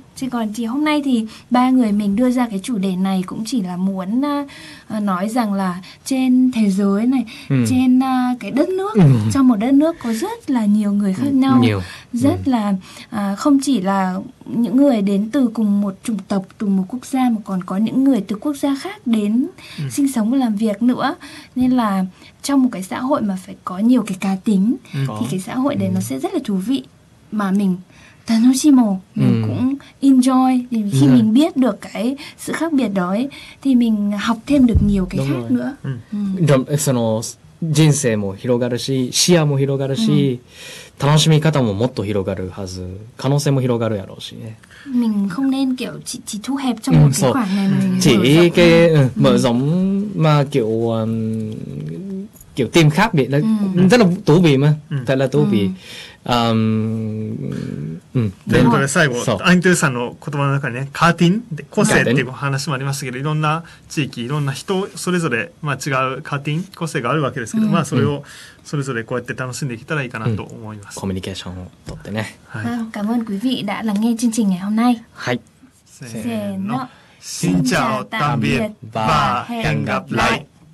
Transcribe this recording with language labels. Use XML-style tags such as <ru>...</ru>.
<vi>Chứ còn thì hôm nay thì ba người mình đưa ra cái chủ đề này cũng chỉ là muốn nói rằng là trên thế giới này, trên cái đất nước, trong một đất nước có rất là nhiều người khác nhau, rất là không chỉ là những người đến từ cùng một chủng tộc, từ một quốc gia, mà còn có những người từ quốc gia khác đến sinh sống và làm việc nữa. Nên là trong một cái xã hội mà phải có nhiều cái cá tính thì cái xã hội đấy nó sẽ rất là thú vị mà mình Tanoshimo, mình cũng enjoy. Thì khi mình biết được cái sự khác biệt đó ấy, thì mình học thêm được nhiều cái khác nữa.</vi> <ja>その人生も広がるし、視野も広がるし、楽しみ方ももっと広がるはず、可能性も広がるやろうしね。</ja> <vi>Mình không nên kiểu chỉ thu hẹp trong một cái khoảng này mà chỉ cái mở rộng mà kiểu kiểu tìm khác biệt, rất là thú vị mà, thật là thú vị.</vi> <ja>ということで最後アイントゥーさんの言葉の中にね、カーティンで個性っていう話もありましたけど、いろんな地域いろんな人それぞれ、まあ、違うカーティン個性があるわけですけど、まあそれをそれぞれこうやって楽しんでいけたらいいかなと思います。コミュニケーションをとってね。</ja> <vi>感謝quý vị đã lắng nghe chương trình ngày hôm nay。</vi> <ja>はい。せーの、新茶を食べる、バー変がない。</ja>